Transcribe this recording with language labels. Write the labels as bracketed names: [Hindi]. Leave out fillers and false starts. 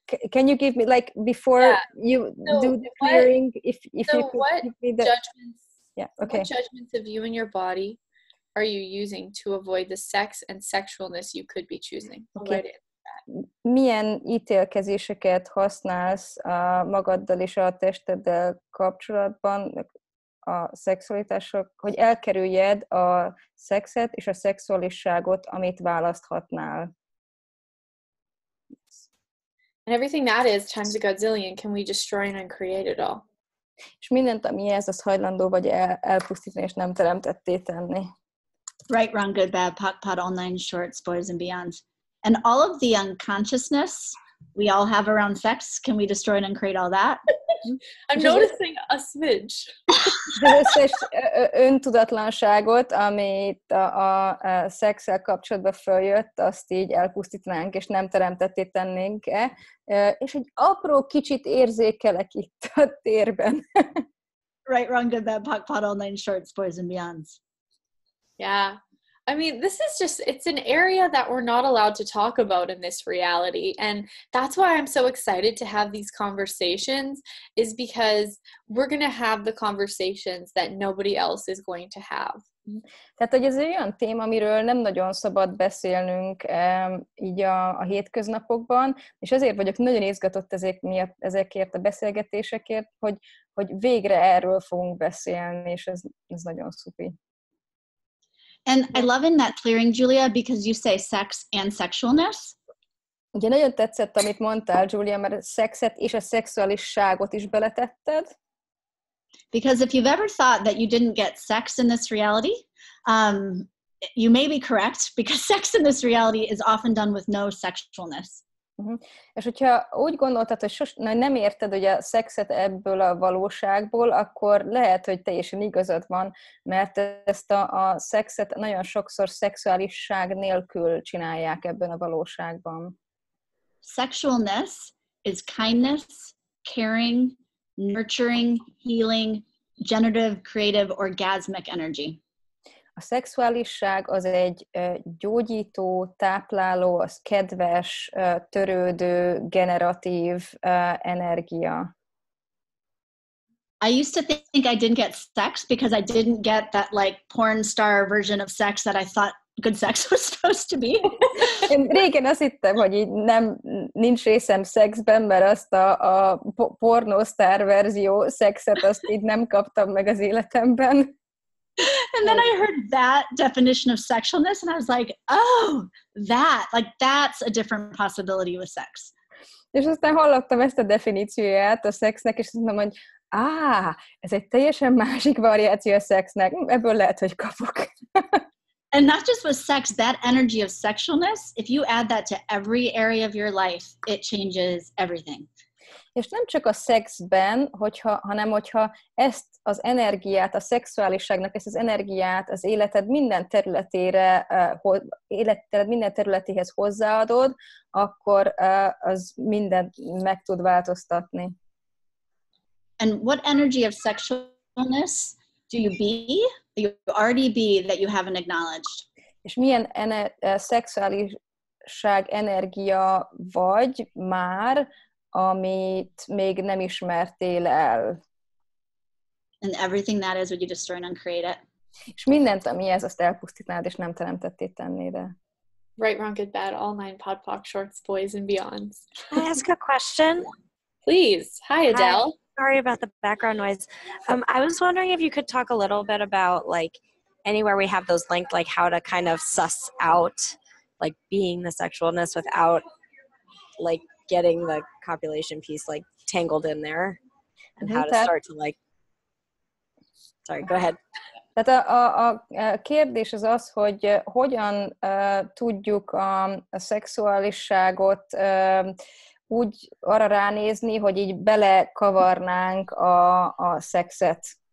[English] Can you give me, like, before you so do the clearing, if so you could give me the... Judgments, yeah, okay. What judgments of you and your body are you using to avoid the sex and sexualness you could be choosing? Okay. [Hungarian] Milyen ítélkezéseket használsz a magaddal és a testeddel kapcsolatban a szexualitások, hogy elkerüljed a szexet és a szexualiságot, amit választhatnál? [English] And everything that is times a godzillion, can we destroy and uncreate it all? [Hungarian] És mindent, ami ez, az hajlandó vagy elpusztítani és nem teremtetté tenni. [English] Right, wrong, good, bad, pot, pot, online, shorts, boys and beyonds. And all of the unconsciousness we all have around sex, can we destroy and uncreate all that? I'm noticing a smidge. [Hungarian] Az összes öntudatlanságot, amit a szexel kapcsolatban följött, azt így elpusztítnánk, és nem teremtetté tennénk-e. És egy apró kicsit érzékelek itt a térben. [English] Right, wrong, good, bad, pot, pot, online, shorts, boys and beyonds. Yeah. I mean, this is just, it's an area that we're not allowed to talk about in this reality. And that's why I'm so excited to have these conversations, is because we're going to have the conversations that nobody else is going to have. [Hungarian] Tehát, hogy ez egy olyan téma, amiről nem nagyon szabad beszélnünk így a hétköznapokban, és ezért vagyok nagyon izgatott ezek miatt, ezekért a beszélgetésekért, hogy végre erről fogunk beszélni, és ez nagyon szupi. [English] And I love in that clearing, Julia, because you say sex and sexualness. [Hungarian] Ugye nagyon tetszett, amit mondtál, Julia, mert a szexet és a szexualiságot is beletetted. [English] Because if you've ever thought that you didn't get sex in this reality, you may be correct, because sex in this reality is often done with no sexualness. Uh-huh. [Hungarian] És hogyha úgy gondoltad, hogy nem érted, hogy a szexet ebből a valóságból, akkor lehet, hogy teljesen igazad van, mert ezt a szexet nagyon sokszor szexuálisság nélkül csinálják ebben a valóságban. [English] Sexualness is kindness, caring, nurturing, healing, generative, creative, orgasmic energy. [Hungarian] A szexuálisság az egy gyógyító, tápláló, az kedves, törődő, generatív energia. [English] I used to think I didn't get sex because I didn't get that like porn star version of sex that I thought good sex was supposed to be. [Hungarian] Én régen azt hittem, hogy így nincs részem szexben, mert azt a pornosztár verzió szexet azt így nem kaptam meg az életemben. [English] And then I heard that definition of sexualness, and I was like, oh, that's a different possibility with sex. [Hungarian] És aztán hallottam ezt a definícióját a szexnek, és azt mondom, hogy ez egy teljesen másik variáció a szexnek, ebből lehet, hogy kapok. [English] And not just with sex, that energy of sexualness, if you add that to every area of your life, it changes everything. [Hungarian] És nem csak a szexben, hanem hogyha ezt az energiát, a szexuáliságnak ezt az energiát az életed minden területére, életed minden területéhez hozzáadod, akkor az mindent meg tud változtatni. [English] And what energy of sexualness do you be, that you already be, that you haven't acknowledged? [Hungarian] És milyen szexuáliság energia vagy már, amit még nem ismertél el. [English] And everything that is, would you destroy and uncreate it? [Hungarian] És mindent, ami ez, azt elpusztítnád, és nem teremtetté tennéd el. [English] Right, wrong, good, bad, all nine, pod, poc, shorts, boys, and beyonds. Can I ask a question? Please. Hi, Adele. Hi. Sorry about the background noise. I was wondering if you could talk a little bit about, like, anywhere we have those linked, like, how to kind of suss out, like, being the sexualness without, like, getting the copulation piece like tangled in there, and how to start to like. Sorry, go ahead. [Hungarian] Tehát a kérdés az az, hogy hogyan tudjuk a szexualiságot úgy arra ránézni, hogy így belekavarnánk a szexet.